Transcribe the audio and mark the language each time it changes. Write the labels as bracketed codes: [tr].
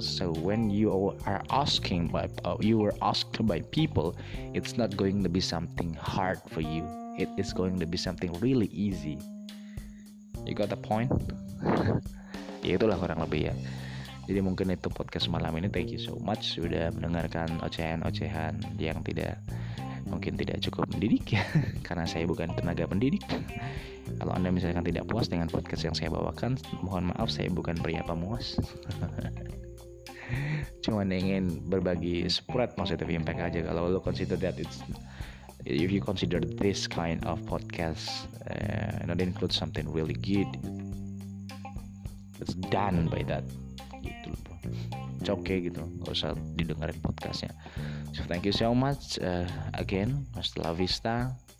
[en] So when you are asking by, you were asked by people, it's not going to be something hard for you. It is going to be something really easy. You got the point? [id] Ya itulah kurang lebih ya. Jadi mungkin itu podcast malam ini. [en] Thank you so much [id] sudah mendengarkan ocehan-ocehan yang tidak, mungkin tidak cukup mendidik ya, karena saya bukan tenaga pendidik. Kalau Anda misalkan tidak puas dengan podcast yang saya bawakan, mohon maaf, saya bukan pria pemuas. Cuman ingin berbagi [en] spread positive impact [id] aja. Kalau lo [en] consider that it's, if you consider this kind of podcast not include something really good, it's done by that. Gitu loh. It's okay gitu, [id] gak usah didengerin podcastnya. [en] So thank you so much again, hasta la vista.